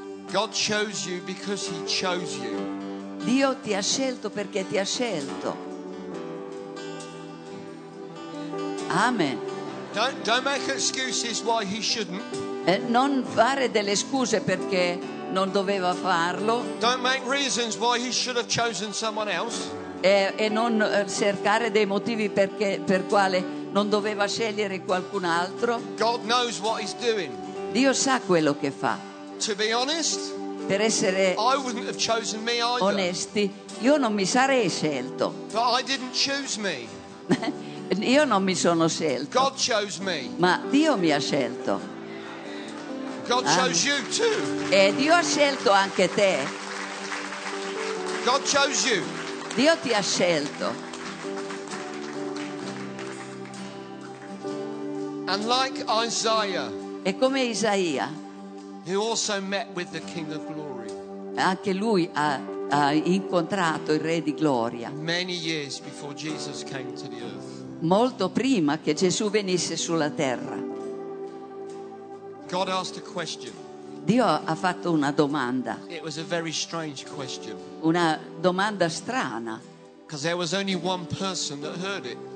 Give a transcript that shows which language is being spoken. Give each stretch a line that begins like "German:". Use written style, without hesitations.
English: God chose you because he chose you.
Italian: Dio ti ha scelto perché ti ha scelto.
English: Amen. Don't make excuses why he shouldn't.
Italian: Non fare delle scuse perché non doveva farlo.
English: Don't make reasons why he should have chosen someone else.
Italian: E non cercare dei motivi perché per quale non doveva scegliere qualcun altro.
English: God knows what he's doing.
Italian: Dio sa quello che fa.
English: To be honest,
Italian: per essere
English: I wouldn't have chosen me either.
Italian: Onesti, io non mi sarei scelto.
English: But I didn't choose me.
Italian: Io non mi sono scelto.
English: God chose me.
Italian: Ma Dio mi ha scelto.
English: God chose you too.
Italian: E Dio ha scelto anche te.
English: God chose you.
Italian: Dio ti ha scelto.
English: And like Isaiah.
Italian: E come Isaia.
English: Who also met with the King of Glory.
Italian: Anche lui ha incontrato il Re di Gloria.
English: Many years before Jesus came to the earth.
Italian: Molto prima che Gesù venisse sulla terra.
English: God asked a question.
Italian: Dio ha fatto una domanda.
English: It was a very strange question.
Italian: Una domanda strana.
English: Because there was only one person that heard it.